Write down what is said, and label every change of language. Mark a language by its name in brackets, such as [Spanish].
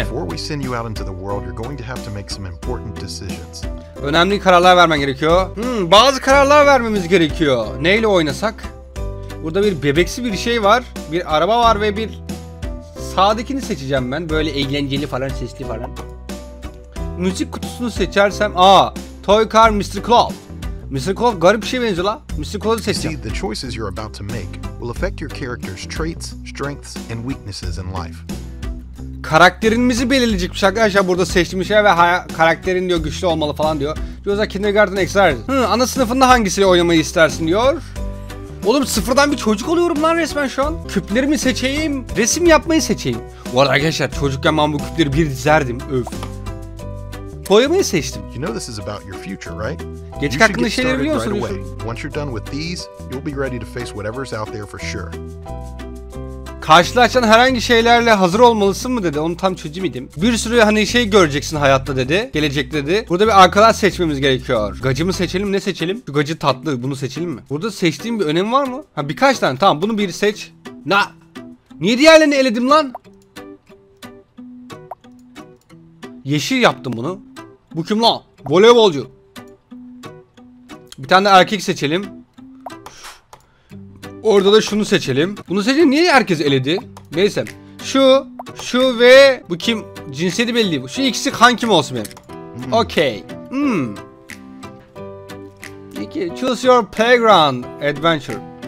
[English] Before we send you out into the world, you're going to have to make some important decisions. [Turkish] Önemli kararlar vermen gerekiyor. Bazı kararlar vermemiz gerekiyor. Neyle oynasak? Burada bir bebeksi bir şey var. Bir araba var ve bir sağdakini seçeceğim ben. Böyle eğlenceli falan, sesli falan. Müzik kutusunu seçersem, Toy Car Mr. Claw. Mr. Claw garip bir şeye benziyor la. Mr. Claw'u seçeceğim. [English] See, the choices you're about to make will affect your character's traits, strengths and weaknesses in life. [Turkish] Karakterimizi belirleyecekmiş arkadaşlar burada seçtiğim şey ve karakterin diyor güçlü olmalı falan diyor. Yoksa [English] kindergarten exercise. [Turkish] Ana sınıfında hangisiyle oynamayı istersin diyor. Oğlum sıfırdan bir çocuk oluyorum lan resmen şu an. Küplerimi seçeyim, resim yapmayı seçeyim. Bu arada arkadaşlar çocukken ben bu küpleri bir dizerdim. Öf. Boyamayı seçtim. [English] You know this is about your future, right? [Turkish] Geçik hakkında şeyleri biliyor musun? [English] Once you're done with these, you'll be ready to face whatever's out there for sure. [Turkish] Karşılaşan herhangi şeylerle hazır olmalısın mı dedi. Onu tam çözeyim miydim? Bir sürü hani şey göreceksin hayatta dedi. Gelecek dedi. Burada bir arkadaş seçmemiz gerekiyor. Gacı mı seçelim, ne seçelim? Şu gacı tatlı, bunu seçelim mi? Burada seçtiğim bir önemi var mı? Ha, birkaç tane. Tamam, bunu bir seç. Na! Niye diğerlerini eledim lan? Yeşil yaptım bunu. Bu kim lan? Voleybolcu. Bir tane de erkek seçelim. Orada da şunu seçelim. Bunu seçelim. Niye herkes eledi? Neyse. Şu ve bu kim? Cinsiyeti belli değil. Şu ikisi kan kim olsun benim? [English] Okay. [Turkish] Peki. [English] Choose your playground adventure.